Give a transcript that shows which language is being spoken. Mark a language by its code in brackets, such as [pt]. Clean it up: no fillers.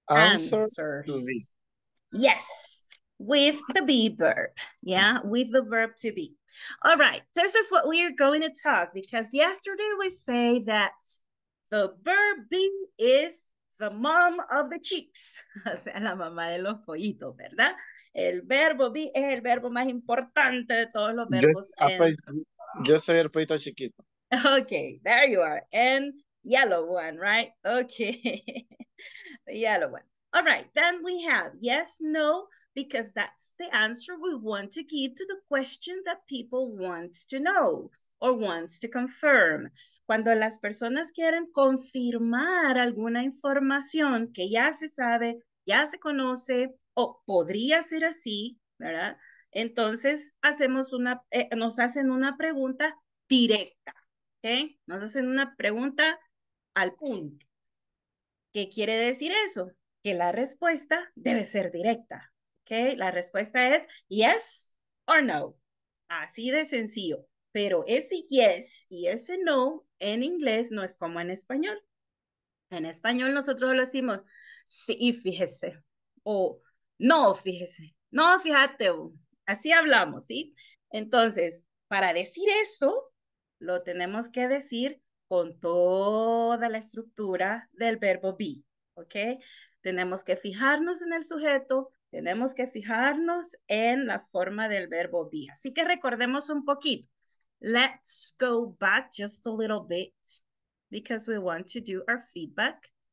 [en] Answers. Yes, with the be verb. Yeah, with the verb to be. All right, this is what we are going to talk because yesterday we say that the verb be is the mom of the chicks. [es] O sea, la mamá de los pollitos, ¿verdad? El verbo be es el verbo más importante de todos los verbos. Yo soy el pollito chiquito. [en] Okay, there you are. And yellow one, right? Okay. The yellow one. All right, then we have yes, no, because that's the answer we want to give to the question that people want to know or wants to confirm. [es] Cuando las personas quieren confirmar alguna información que ya se sabe, ya se conoce, o podría ser así, ¿verdad? Entonces, nos hacen una pregunta directa, ¿ok? Nos hacen una pregunta al punto. ¿Qué quiere decir eso? Que la respuesta debe ser directa, ¿ok? La respuesta es [en] yes or no, [es] así de sencillo. Pero ese yes y ese no en inglés no es como en español. En español nosotros lo decimos sí, fíjese, o no, fíjese, no, fíjate, así hablamos, ¿sí? Entonces, para decir eso, lo tenemos que decir con toda la estructura del verbo be, ¿ok? Tenemos que fijarnos en el sujeto, tenemos que fijarnos en la forma del verbo be. Así que recordemos un poquito. [en] Let's go back just a little bit because we want to do our feedback.